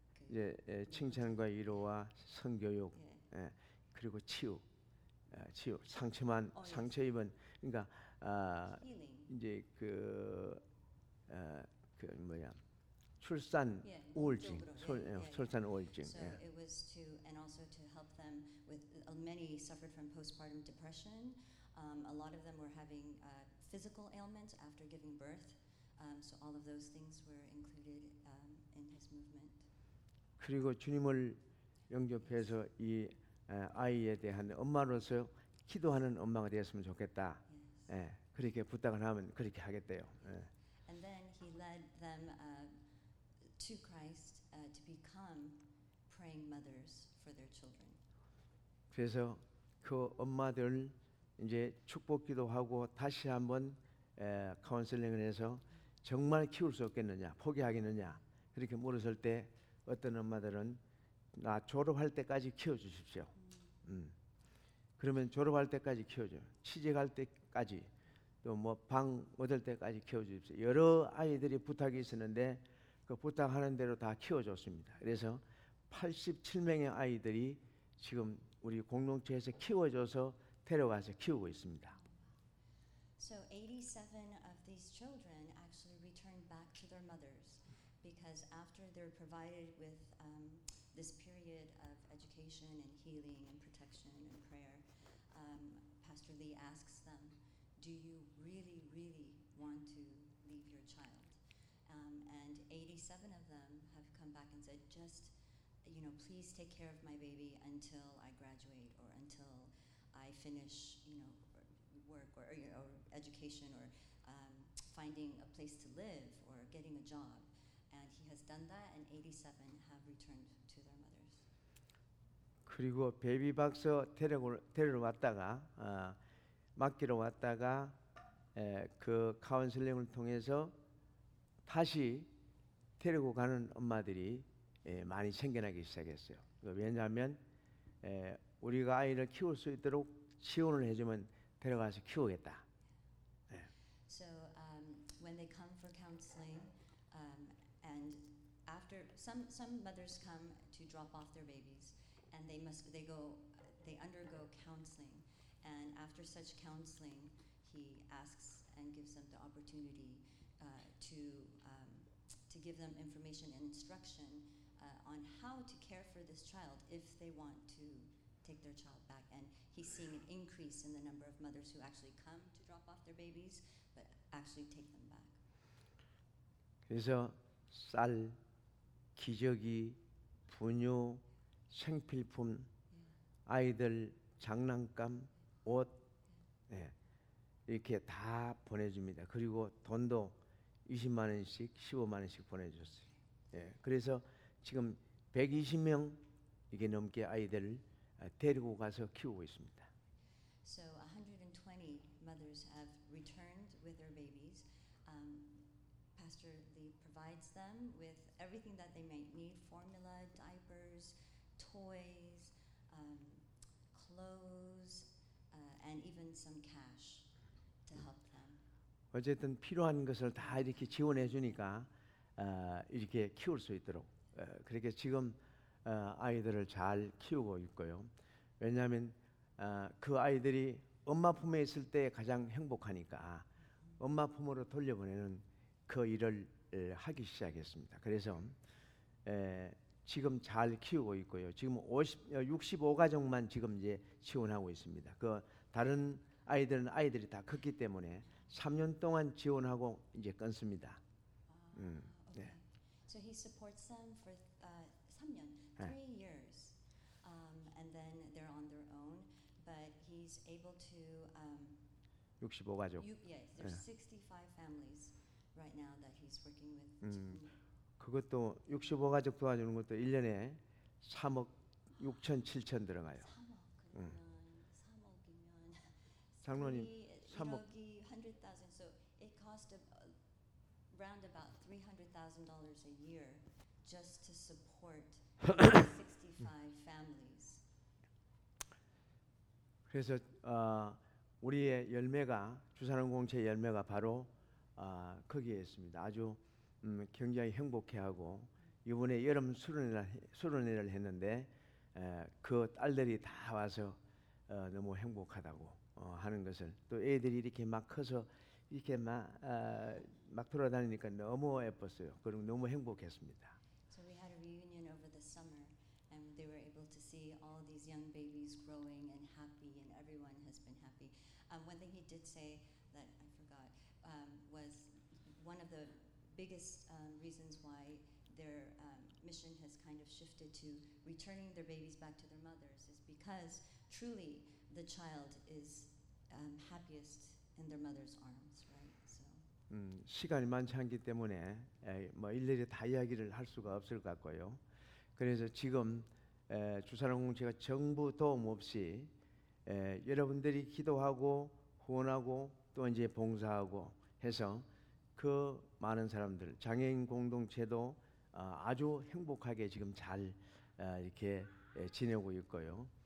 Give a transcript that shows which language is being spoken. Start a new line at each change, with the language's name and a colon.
Korean: 예, 칭찬과 위로와 성교육, 그리고 치유, 치유 상처만 상처 입은 그러니까 이제 그 뭐야 출산 우울증, 출산 우울증.
English: So it was to and also to help them with many suffered from postpartum depression. A lot of them were having physical ailments after giving birth. So all of those things were included in his movement.
Korean: 그리고 주님을 영접해서 이 아이에 대한 엄마로서 기도하는 엄마가 되었으면 좋겠다. 그렇게 부탁을 하면 그렇게 하겠대요.
English: And then he led them to Christ to become praying mothers for their children.
Korean: 그래서 그 엄마들 이제 축복 기도하고 다시 한번 카운슬링을 해서 정말 키울 수 없겠느냐, 포기하겠느냐 그렇게 물었을 때 어떤 엄마들은 나 졸업할 때까지 키워주십시오. 그러면 졸업할 때까지 키워줘. 취직할 때까지 또 뭐 방 얻을 때까지 키워주십시오. 여러 아이들이 부탁이 있었는데 그 부탁하는 대로 다 키워줬습니다. 그래서 87명의 아이들이 지금 우리 공동체에서 키워줘서 데려가서 키우고 있습니다.
English: So 87 of these children actually returned back to their mothers. Because after they're provided with this period of education and healing and protection and prayer, Pastor Lee asks them, "Do you really, really want to leave your child?" And 87 of them have come back and said, "Just, you know, please take care of my baby until I graduate or until I finish, you know, work or education or finding a place to live or getting a job. And he has done that, and 87 have returned to their mothers.
Korean: 그리고 베이비 박스 데리러 왔다가 맡기러 왔다가 그 카운슬링을 통해서 다시 데리고 가는 엄마들이 많이 생겨나기 시작했어요. 왜냐하면 우리가 아이를 키울 수 있도록 지원을 해주면 데려가서 키우겠다.
English: So when they come for counseling, and after some mothers come to drop off their babies, and they undergo counseling, and after such counseling, he asks and gives them the opportunity to give them information and instruction on how to care for this child if they want to take their child back. And he's seeing an increase in the number of mothers who actually come to drop off their babies, but actually take them back.
Korean: 그래서 쌀, 기저귀, 분유, 생필품, 아이들 장난감, 옷, 네, 이렇게 다 보내줍니다. 그리고 돈도 20만 원씩, 15만 원씩 보내줬어요. 예, 그래서 지금 120명 이게 넘게 아이들을 데리고 가서 키우고 있습니다.
English: So 120 mothers have returned with their babies. Pastor Lee provides them with everything that they might need: formula, diapers, toys, clothes, and even some cash to help them.
Korean: 어쨌든 필요한 것을 다 이렇게 지원해 주니까 이렇게 키울 수 있도록 그렇게 지금 아이들을 잘 키우고 있고요. 왜냐하면 그 아이들이 엄마 품에 있을 때 가장 행복하니까 엄마 품으로 돌려보내는 그 일을 하기 시작했습니다. 그래서 지금 잘 키우고 있고요. 지금 65가정만 지금 이제 지원하고 있습니다. 그 다른 아이들은 아이들이 다 컸기 때문에 3년 동안 지원하고 이제 끊습니다.
English: So he supports them for
Korean: 3년,
English: 3 years, and then they're on their own. But he's able to.
Korean: 65가족.
English: Yes, there's 65 families right now that he's working with.
Korean: 그것도 65가족 도와주는 것도 1년에 3억 6천 7천 들어가요. 3억이면. 장로님. 3억이 100,000.
English: So it cost around about $300,000 a year just to support 65 families.
Korean: 그래서 우리의 열매가 주사랑 공동체 열매가 바로 거기에 있습니다. 아주 굉장히 행복해하고 이번에 여름 수련회를 했는데 그 딸들이 다 와서 너무 행복하다고 하는 것을 또 애들이 이렇게 막 커서 이렇게 막 돌아다니니까 너무 예뻤어요. 그리고 너무 행복했습니다.
English: So we had a reunion over the summer and they were able to see all these young babies growing and happy and everyone has been happy. One thing he did say that I forgot was one of the biggest reasons why their mission has kind of shifted to returning their babies back to their mothers is because truly the child is happiest in their mother's arms, right? So.
Korean: 시간이 많지 않기 때문에 뭐 일일이 다 이야기를 할 수가 없을 것 같고요. 그래서 지금 주사랑 공동체가 정부 도움 없이 여러분들이 기도하고 후원하고 또 이제 봉사하고 해서 그 많은 사람들 장애인 공동체도 아주 행복하게 지금 잘 이렇게 지내고 있고요.